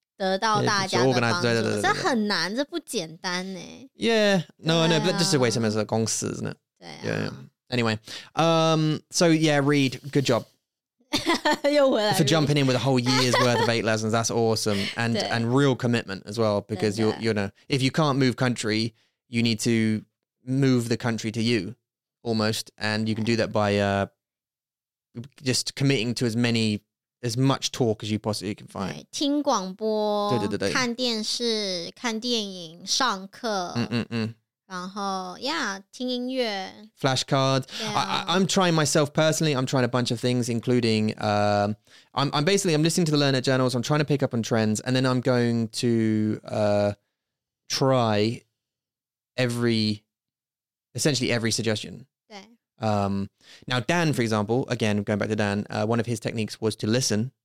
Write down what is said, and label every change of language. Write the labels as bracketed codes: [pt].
[zh] 得到大家的帮助，这很难，这不简单呢。 [en] Yeah, no, but that's just the way some of the 公司, isn't it? [zh] 对啊。 [en] Anyway, so yeah, Reed, good job. You're welcome. For jumping in with a whole year's worth of 8 lessons. That's awesome. And real commitment as well, because you know, if you can't move country, you need to move the country to you almost. And you can do that by just committing to as much talk as you possibly can find. [zh] 听广播, 对。看电视, 看电影, 上课, 然后, 听音乐, [en] flashcards. I'm trying myself personally. I'm trying a bunch of things, including, I'm basically listening to the learner journals. I'm trying to pick up on trends, and then I'm going to try essentially every suggestion. Now Dan, for example, again, going back to Dan, one of his techniques was to listen.